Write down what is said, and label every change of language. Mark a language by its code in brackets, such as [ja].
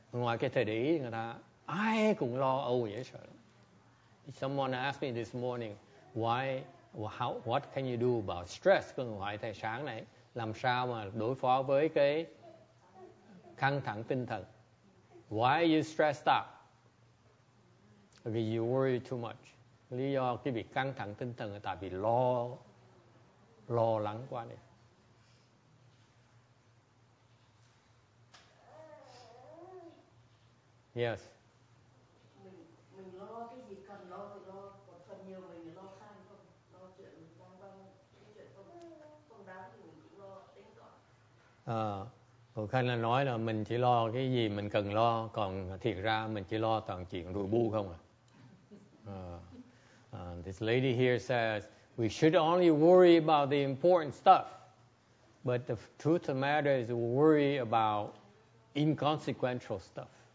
[vi] Ngoài cái thời đấy, người ta ai cũng lo âu vậy sợ. [en] Someone asked me this morning, what can you do about stress? [vi] Cái người hỏi thầy sáng này, làm sao mà đối phó với cái căng thẳng tinh thần? [en] Why are you stressed out? Because you worry too much. [vi] Lý do cái việc căng thẳng tinh thần là tại vì lo, lo lắng quá đi. [en] Yes. [vi] Mình lo cái gì cần lo thì lo, còn phần nhiều mình lo khan không, lo chuyện mình đang băng, chuyện không đáng thì mình cũng lo đến cỏ. Thầy Khanh là nói là mình chỉ lo cái gì mình cần lo, còn thiệt ra mình chỉ lo toàn chuyện rùi bu không à. [en] This lady here says, we should only worry about the important stuff, but the truth of the matter is we worry about inconsequential stuff.